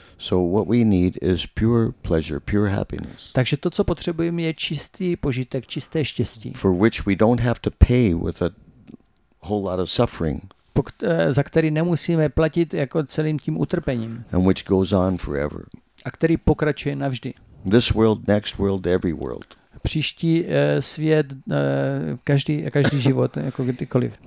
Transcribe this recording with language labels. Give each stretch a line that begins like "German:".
English: So what we need is pure pleasure, pure happiness.
Czech: Takže to, co potřebujeme, je čistý požitek, čisté štěstí.
English: For which we don't have to pay with a whole lot of suffering.
Czech: Za který nemusíme platit jako celým tím utrpením.
English: And which goes on forever.
Czech: A který pokračuje navždy.
English: This world, next world, every world.
Czech: Příští svět, každý život, jako kdykoliv.